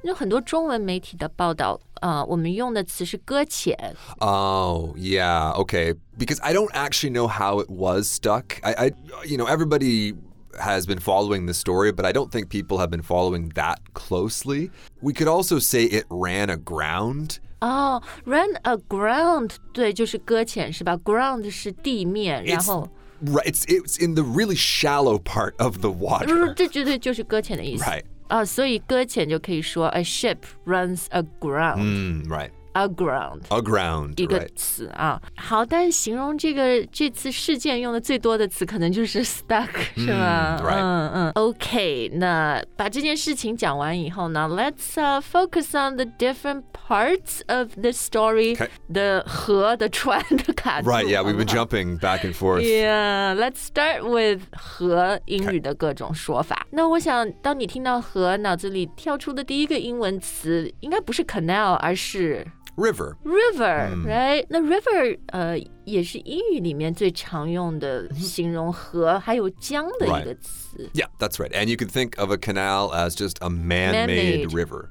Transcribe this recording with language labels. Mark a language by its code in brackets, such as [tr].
[zh] 那很多中文媒体的报道、我们用的词是搁浅 [en] Oh yeah okay because I don't actually know how it was stuck I you know everybody has been following the story but I don't think people have been following that closely we could also say it ran aground Oh, ran aground [zh] 对就是搁浅是吧 ground 是地面然后 [en] Right, it's in the really shallow part of the water. [zh] 这绝对就是搁浅的意思。 [en] Right. [zh] 所以搁浅就可以说 [en] a ship runs aground. Right. Aground. Aground, [zh] 一个词啊。好，但形容这次事件用的最多的词可能就是 stuck, 是吗？ [en] Right. OK, [zh] 那把这件事情讲完以后呢 [en] let's focus on the different parts of the story. [zh] The 河的船的卡住。 [en] Right, yeah, we've been jumping back and forth. Yeah, let's start with [zh] 河英语的各种说法。那我想当你听到河脑子里跳出的第一个英文词应该不是 canal, 而是 [en] River. River,、mm. right? [zh] 那 river 也是英语里面最常用的形容河还有江的一个词。 [en] Right. Yeah, that's right. And you can think of a canal as just a man-made river.